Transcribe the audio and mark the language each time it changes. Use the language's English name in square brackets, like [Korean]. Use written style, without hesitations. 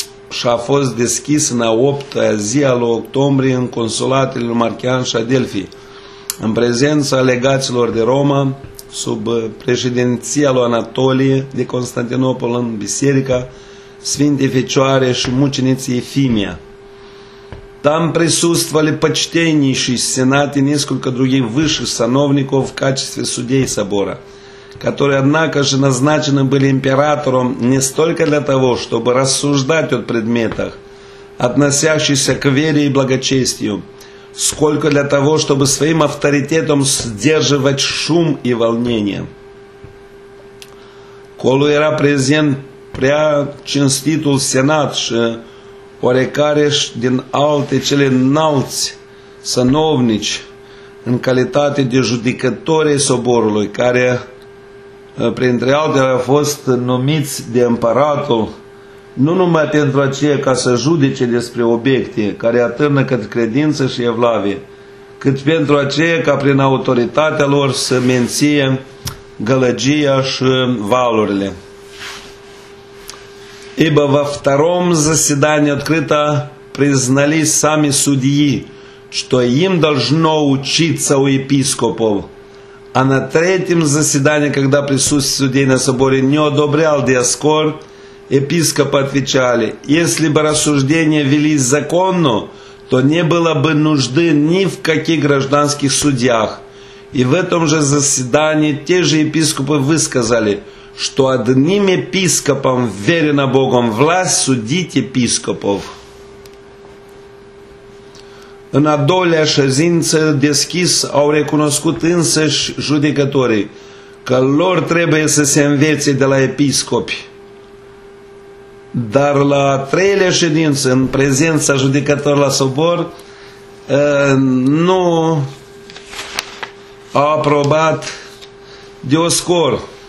[Romanian] Și a fost deschis în a 8-a zi al octombrie în consulatele lui Marcian și Adelphi, în prezența legaților de Roma, sub președinția lui Anatolie de Constantinopol, în biserica Sfintei Fecioare și muceniții Efimia. [Russian] Там присутствовали почтеннейший сенат и несколько других высших сановников в качестве судей собора, которые, однако же, назначены были императором не столько для того, чтобы рассуждать о предметах, относящихся к вере и благочестию, сколько для того, чтобы своим авторитетом сдерживать шум и волнение. Колу [Romanian] era prezent prea cinstitul senat și oarecare și din alte cele înalți sănovnici în calitate de judecători ai soborului, care printre altele au fost numiți de împăratul, nu numai pentru aceea ca să judece despre obiecte care atârnă către credință și evlavie, cât pentru aceea ca prin autoritatea lor să menție gălăgia și valurile. [Russian] Ибо во втором заседании открыто признались сами судьи, что им должно учиться у епископов. А на третьем заседании, когда присутствие судей на соборе не одобрял Диаскор, епископы отвечали: если бы рассуждения велись законно, то не было бы нужды ни в каких гражданских судьях. И в этом же заседании те же епископы высказали, что одним епископом верена Богом власть судить епископов. [Romanian] În a doua ședință deschis au recunoscut însăși judecătorii că lor trebuie să se învețe de la episcopi. Dar la a treia ședință, în prezența judecătorilor la sobor, nu a aprobat Dioscor.